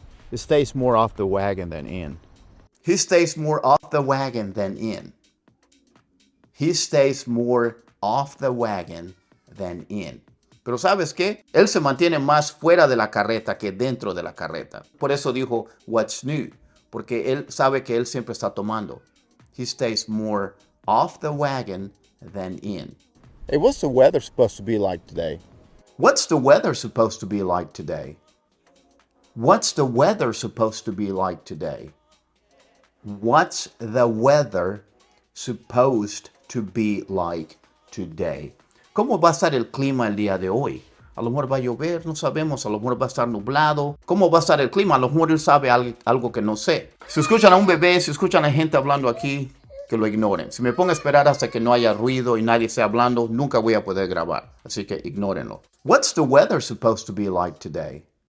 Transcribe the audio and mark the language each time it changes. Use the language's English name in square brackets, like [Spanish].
[English] It stays more off the wagon than in. He stays more off the wagon than in. He stays more off the wagon than in. [Spanish] Pero ¿sabes qué? Él se mantiene más fuera de la carreta que dentro de la carreta. Por eso dijo, [English] what's new? [Spanish] Porque él sabe que él siempre está tomando. [English] He stays more off the wagon than in. Hey, what's the weather supposed to be like today? What's the weather supposed to be like today? What's the weather supposed to be like today? What's the weather supposed to be like today? [Spanish] ¿Cómo va a estar el clima el día de hoy? A lo mejor va a llover, no sabemos. A lo mejor va a estar nublado. ¿Cómo va a estar el clima? A lo mejor él sabe algo que no sé. Si escuchan a un bebé, si escuchan a gente hablando aquí, que lo ignoren. Si me pongo a esperar hasta que no haya ruido y nadie esté hablando, nunca voy a poder grabar. Así que ignórenlo. [English] What's the weather supposed to be like today?